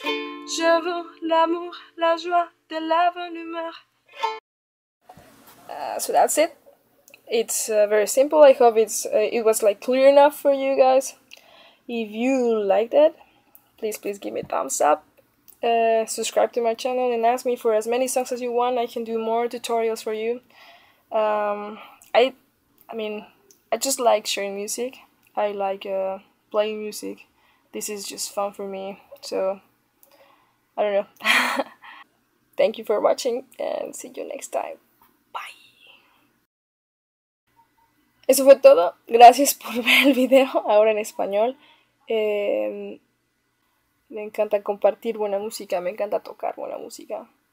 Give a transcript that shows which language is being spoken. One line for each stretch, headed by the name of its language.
French: Je veux l'amour, la joie, de la bonne humeur.
English: So that's it. It's very simple. I hope it was like clear enough for you guys. If you liked it, please give me a thumbs up. Subscribe to my channel and ask me for as many songs as you want. I can do more tutorials for you. I just like sharing music. I like playing music. This is just fun for me, so I don't know. Thank you for watching and see you next time. Bye.
Spanish: Eso fue todo. Gracias por ver el video ahora en español. Me encanta compartir buena música, me encanta tocar buena música.